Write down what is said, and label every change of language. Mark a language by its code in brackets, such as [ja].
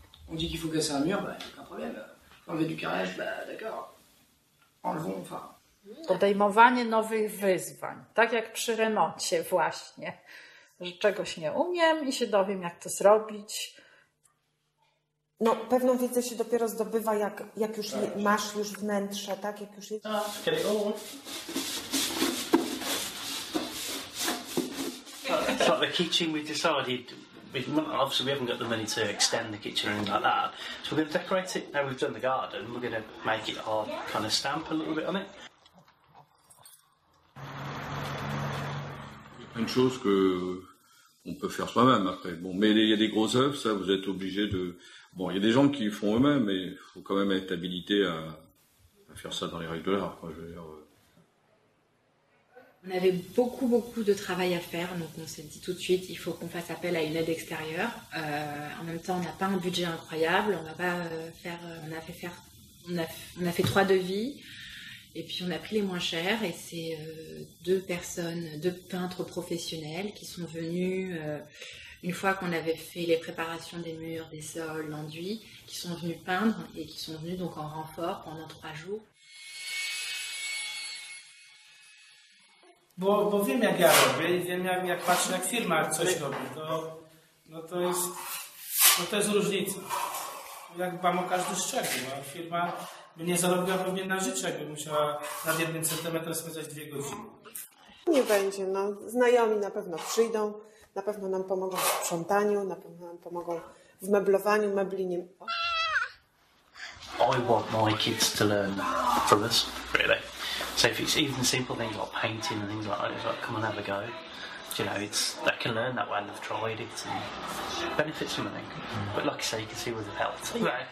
[fr] On dit qu'il faut casser un mur, bah aucun problème. Enlever du carrelage, bah d'accord. Enlevons, enfin. [pl] Podejmowanie nowych wyzwań, tak jak przy remoncie właśnie, że czegoś nie umiem i się dowiem, jak to zrobić. No, pewną wiedzę się dopiero zdobywa, jak już nie, masz już wnętrze, tak? Jak już jest... [en] So the kitchen, we decided, obviously we haven't got the money to extend the kitchen or anything like that, so we're going to decorate it, now we've done the garden, we're going to make it our kind of stamp a little bit on it. [fr] Une chose que on peut faire soi-même après. Bon, mais il y a des gros œuvres, ça, vous êtes obligé de. Bon, il y a des gens qui font eux-mêmes, mais il faut quand même être habilité à faire ça dans les règles de l'art. Quoi, je veux dire. On avait beaucoup, beaucoup de travail à faire, donc on s'est dit tout de suite, il faut qu'on fasse appel à une aide extérieure. En même temps, on n'a pas un budget incroyable, on va pas faire. On a fait trois devis. Et puis on a pris les moins chers et c'est deux personnes, deux peintres professionnels qui sont venus, une fois qu'on avait fait les préparations des murs, des sols, l'enduit, qui sont venus peindre et qui sont venus donc en renfort pendant trois jours. [pl] Bo wiem jak ja robię, wiem jak patrzę jak firma coś robi, to jest różnica. Jak dbam o każdy szczegół, a firma by nie zarobiła pewnie na życie, jakby musiała nad jednym centymetrem spędzać dwie godziny. Nie będzie, no. Znajomi na pewno przyjdą, na pewno nam pomogą w sprzątaniu, na pewno nam pomogą w meblowaniu, mebli nie... [en] I want my kids to learn from us, really. So if it's even simple things like painting and things like that, come and have a go. You know, it's they can learn that when they've tried it and benefits from it. But like I say, you can see with the pelt.